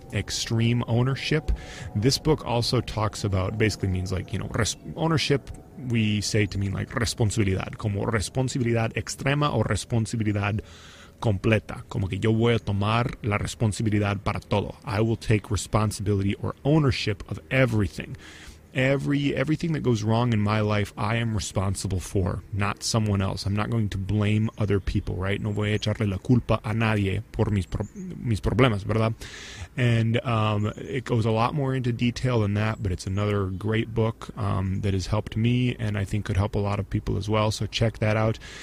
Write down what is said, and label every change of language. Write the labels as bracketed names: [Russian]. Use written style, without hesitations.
[English] Extreme Ownership. This book also talks about, basically means like, you know, ownership, we say to mean like [Spanish] responsabilidad, como responsabilidad extrema o responsabilidad completa, como que yo voy a tomar la responsabilidad para todo. [English] I will take responsibility or ownership of everything. Everything that goes wrong in my life, I am responsible for, not someone else. I'm not going to blame other people, right? [Spanish] No voy a echarle la culpa a nadie por mis problemas, ¿verdad? [English] And it goes a lot more into detail than that, but it's another great book that has helped me and I think could help a lot of people as well. So check that out.